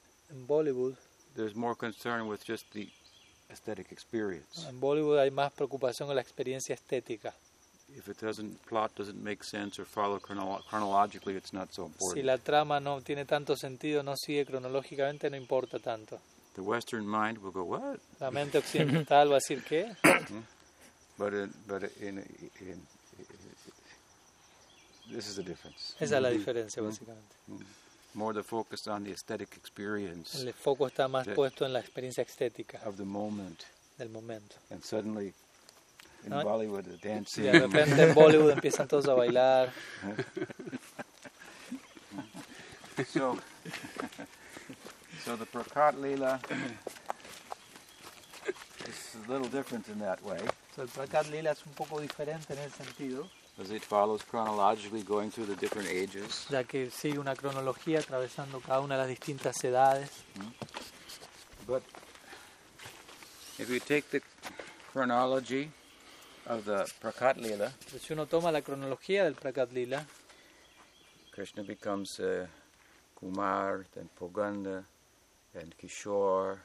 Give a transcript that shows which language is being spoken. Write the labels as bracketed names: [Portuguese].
[English] In Bollywood, there's more concern with just the aesthetic experience. [Spanish] En Bollywood hay más preocupación con la experiencia estética. [English] If it doesn't plot doesn't make sense or follow chronologically, it's not so important. [Spanish] Si la trama no tiene tanto sentido, no sigue cronológicamente, no importa tanto. [English] The Western mind will go, what? [Spanish] La mente occidental va a decir qué? [English] But in this is the difference. [Spanish] Esa es la diferencia, básicamente. [English] More the focus on the aesthetic experience. [Spanish] El foco está más puesto en la experiencia estética. [English] Of the moment. [Spanish] Del momento. [English] And suddenly, in Bollywood, the dancing. [Spanish] De repente en Bollywood empiezan todos a bailar. [English] So the Prakat Lila is a little different in that way. [Spanish] So el Prakat Lila es un poco diferente en ese sentido. [English] As it follows chronologically going through the different ages. [Spanish] Ya que sigue una cronología atravesando cada una de las distintas edades. [English] But if you take the chronology of the Prakat Lila, [Spanish] si uno toma la cronología del Prakat Lila, [English] Krishna becomes Kumar, then Pauganda, and Kishore.